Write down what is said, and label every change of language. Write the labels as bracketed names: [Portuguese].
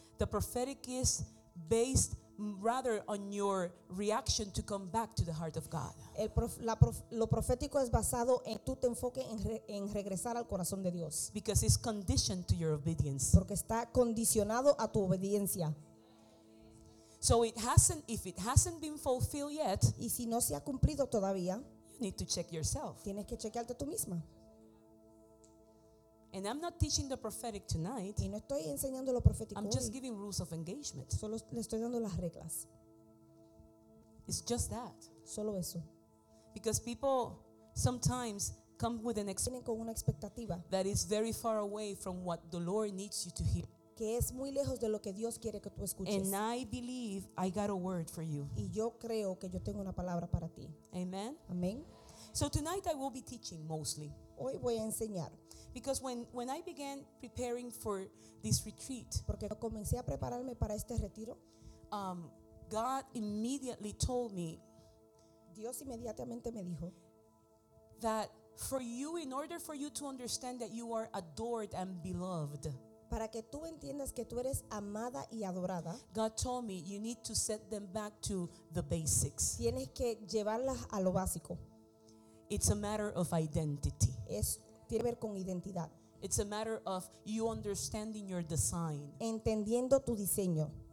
[English] The prophetic is based rather on your reaction to come back to the heart of God. [Spanish] Lo profético es basado en tu te enfoque en regresar al corazón de Dios. [English] Because it's conditioned to your obedience. [Spanish] Porque está condicionado a tu obediencia. [English] So if it hasn't been fulfilled yet, [Spanish] y si no se ha cumplido todavía, [English] you need to check yourself. [Spanish] Tienes que chequearte tú misma. [English] And I'm not teaching the prophetic tonight. [Spanish] Y no estoy enseñando lo profético [English] hoy. I'm just giving rules of engagement. [Spanish] Solo le estoy dando las reglas. [English] It's just that. [Spanish] Solo eso. [English] Because people sometimes come with an [Spanish] expectativa [English] that is very far away from what the Lord needs you to hear. [Spanish] Que es muy lejos de lo que Dios quiere que tú escuches. [English] And I believe I got a word for you. [Spanish] Y yo creo que yo tengo una palabra para ti. [English] Amen. [Spanish] Amen. [English] So tonight I will be teaching mostly. [Spanish] Hoy voy a enseñar. [English] Because when I began preparing for this retreat, [Spanish] porque comencé a prepararme para este retiro, [English] God immediately told me, [Spanish] Dios inmediatamente me dijo, [English] that for you, in order for you to understand that you are adored and beloved, [Spanish] para que tú entiendas que tú eres amada y adorada, [English] God told me you need to set them back to the basics. [Spanish] Tienes que llevarlas a lo básico. [English] It's a matter of identity. [Spanish] Es tiene que ver con identidad. [English] It's a matter of you understanding your design. [Spanish] Entendiendo tu diseño.